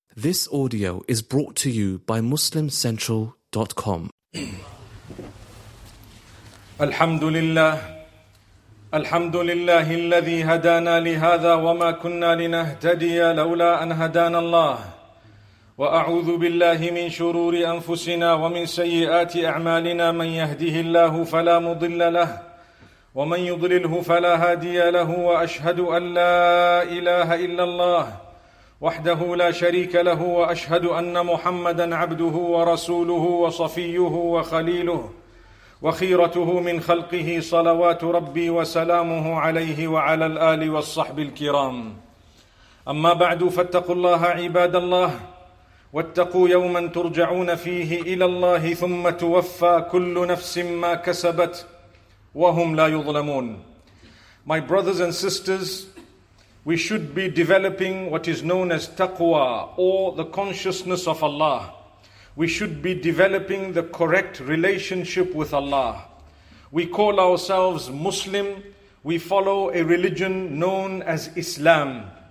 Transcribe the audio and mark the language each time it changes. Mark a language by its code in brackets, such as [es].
[en] This audio is brought to you by MuslimCentral.com. [ar] Alhamdulillah. Alhamdulillah, الذي هدانا لهذا وما كنا لنهتدي لولا أن هدانا الله. وأعوذ بالله من شرور أنفسنا ومن سيئات أعمالنا. من يهده الله فلا مضل له. ومن يضلله فلا هادي له. وأشهد أن لا إله إلا الله وحده لا شريك له. وأشهد أن محمدا عبده ورسوله وصفيه وخليله وخيرته من خلقه صلوات ربي وسلامه عليه وعلى الآل والصحب الكرام. أما بعد، فاتقوا الله عباد الله، واتقوا يوما ترجعون فيه إلى الله، ثم توفى كل نفس ما كسبت وهم لا يظلمون. [en] My brothers and sisters, we should be developing what is known as taqwa, or the consciousness of Allah. We should be developing the correct relationship with Allah. We call ourselves Muslim. We follow a religion known as Islam.